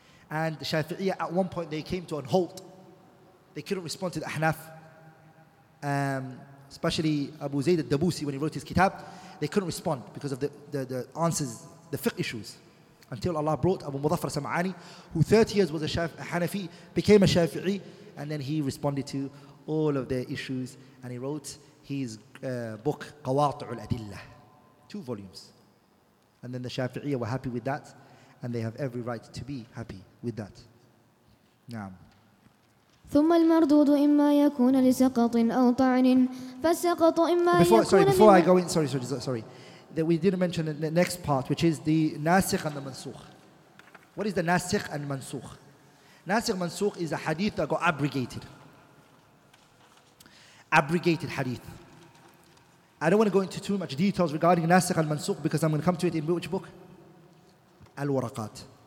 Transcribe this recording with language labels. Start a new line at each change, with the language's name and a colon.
English: And the Shafi'iyah, at one point, they came to a halt. They couldn't respond to the Ahnaf, especially Abu Zayd al-Dabusi, when he wrote his kitab, they couldn't respond because of the answers, the fiqh issues, until Allah brought Abu Muzaffar Sam'ani, who 30 years was a Hanafi, became a Shafi'i, and then he responded to all of their issues, and he wrote his book, Qawatu' al-Adillah, two volumes. And then the Shafi'iyah were happy with that, and they have every right to be happy with that. Naam.
Arabic: ثم المردود إما يكون لسقط أو طعن فسقط إما
English: before,
Arabic: يكون
English: sorry, before I go in, sorry, that we didn't mention the next part, which is the ناسخ and the منسوخ. What is the ناسخ and منسوخ? ناسخ منسوخ is a hadith that got abrogated. Abrogated hadith. I don't want to go into too much details regarding ناسخ and منسوخ because I'm going to come to it in which book? Al-Waraqat.